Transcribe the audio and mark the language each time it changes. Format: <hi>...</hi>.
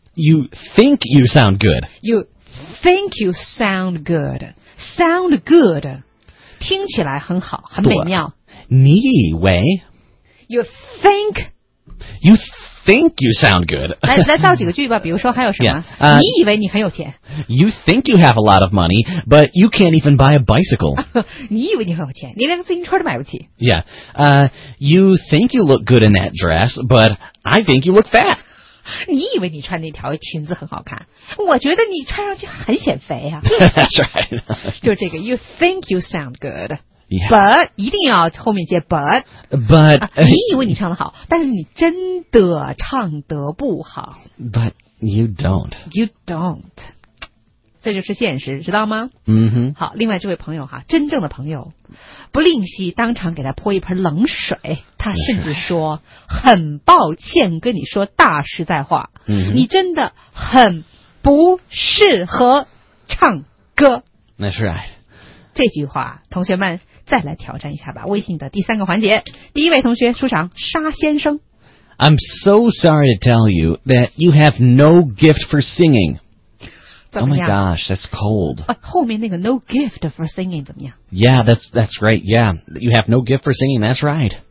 <en>You think you sound good. You think you sound good. Sound good</en> <zh>听起来很好很美妙。你以为</zh> <en>You think you sound good.</en> <zh>来造几个句吧，比如说还有什么</zh> <en>yeah,</en> <zh>你以为你很有钱。</zh> <en>You think you have a lot of money, but you can't even buy a bicycle.</en> <zh>你以为你很有钱，你连个自行车都买不起。</zh> <en>Yeah, you think you look good in that dress, but I think you look fat.</en> <zh>你以为你穿那条裙子很好看，我觉得你穿上去很显肥啊。</zh> <en>That's right.</en> <zh>就这个</zh> <en>You think you sound good. Yeah.</en> <zh>But 一定要后面接 but.</zh> <en>But、</en> <zh>你以为你唱得好，但是你真的唱得不好。</zh> <en>But you don't. You don't.</en> <zh>这就是现实，知道吗？嗯哼。好，另外这位朋友哈，真正的朋友，不吝惜当场给他泼一盆冷水。他甚至说：“很抱歉，跟你说大实在话，嗯，你真的很不适合唱歌。”</zh> <en>That's right.</en> <zh>这句话同学们再来挑战一下吧，微信的第三个环节。第一位同学出场，沙先生。</zh> <en>I'm so sorry to tell you that you have no gift for singing. Oh my gosh, that's cold.、</en> <zh>后面那个</zh> <en>no gift for singing</en> <zh>怎么样？</zh> <en>Yeah, that's right, yeah. You have no gift for singing, that's right.</en>